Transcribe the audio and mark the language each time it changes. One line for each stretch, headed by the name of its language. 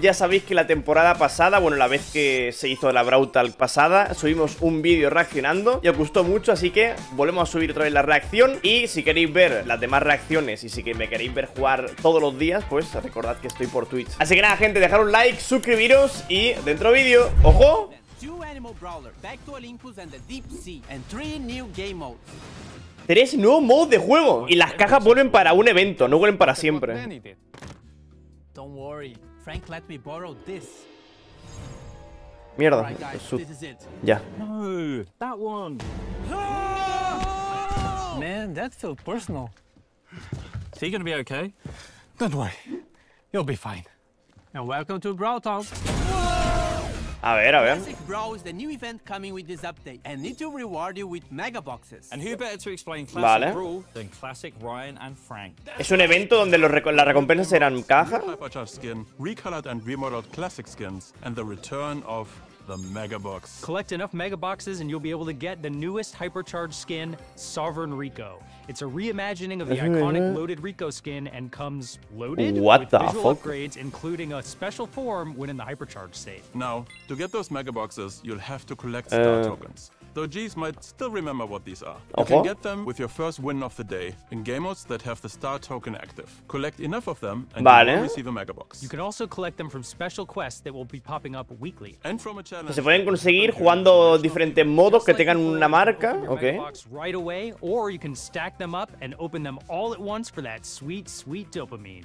Spanish: Ya sabéis que la temporada pasada, bueno, la vez que se hizo la Brawl Talk pasada, subimos un vídeo reaccionando y os gustó mucho, así que volvemos a subir otra vez la reacción. Y si queréis ver las demás reacciones y si me queréis ver jugar todos los días, pues recordad que estoy por Twitch. Así que nada, gente, dejad un like, suscribiros y dentro vídeo. ¡Ojo!
English: Two animal brawler, back to Olympus and the deep sea, and three new game modes.
Spanish: Tres nuevos modos de juego y las cajas vuelven para un evento, no vuelven para siempre.
English: Don't worry, Frank let me borrow this.
Spanish: Mierda, ya.
English: That one. Man, that feels personal. So you gonna be okay? Don't worry, you'll be fine. And welcome to Brawl Talk.
Spanish: A ver.
English: Classic Brawl is the new event coming with this update, and it will reward you with mega boxes. And who better to explain Classic Brawl than Classic Ryan and Frank?
Spanish: Es un evento donde las recompensas serán cajas.
English: Recolored and remodeled classic skins, and the return of the mega box. Collect enough mega boxes, and you'll be able to get the newest hypercharged skin, Sovereign Rico. It's a reimagining of the iconic loaded Rico skin, and comes loaded with visual upgrades, including a special form when in the hypercharged state. Now, to get those mega boxes, you'll have to collect star tokens. Though G's might still remember what these are. You can get them with your first win of the day in game modes that have the star token active. Collect enough of them and you will receive a mega box. You can also collect them from special quests that will be popping up weekly. And from a challenge.
Spanish: Se pueden conseguir jugando diferentes modos que tengan una marca, okay?
English: Right away, or you can stack them up and open them all at once for that sweet, sweet dopamine.